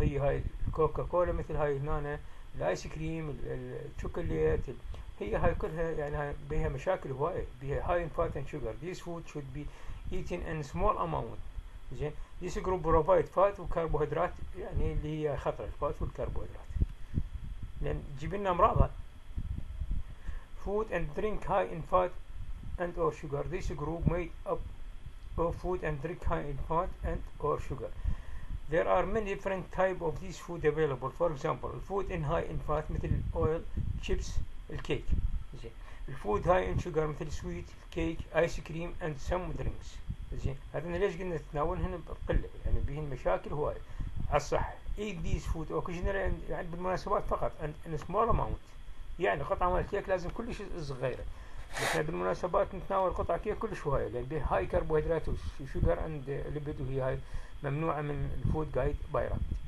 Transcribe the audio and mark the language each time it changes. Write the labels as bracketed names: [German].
[Arabic] هي هاي الكوكا كولا مثل هاي هنا الايس كريم الشوكليت هي هاي كلها يعني بيها مشاكل هواية بيها هاي فات اند شوجر. [English] this food should be eaten in small amount زين this group provide fat وكربوهيدرات [Arabic] يعني اللي هي خطر الفات والكربوهيدرات لان تجيب لنا امراض. [English] Food and drink high in fat and or sugar. This group made up of food and drink high in fat and or sugar. There are many different type of these food available. For example, food in high in fat مثل oil, chips, الكيك. زين. الفود high in sugar مثل sweet الكيك ice cream and some drinks [Arabic] زين هذين ليش قلنا تتناولهن بقله يعني بهن مشاكل هواي على الصحه. [English] Eat these food occasionally [Arabic] يعني بالمناسبات فقط [English] and in small amount [Arabic] يعني قطعه مال الكيك لازم كلش صغيره بس بالمناسبات نتناول قطع كيك كل شويه لان بها هاي كربوهيدرات وشوجر اند ليبيد وهي هاي ممنوعه من الفود جايد بايرات.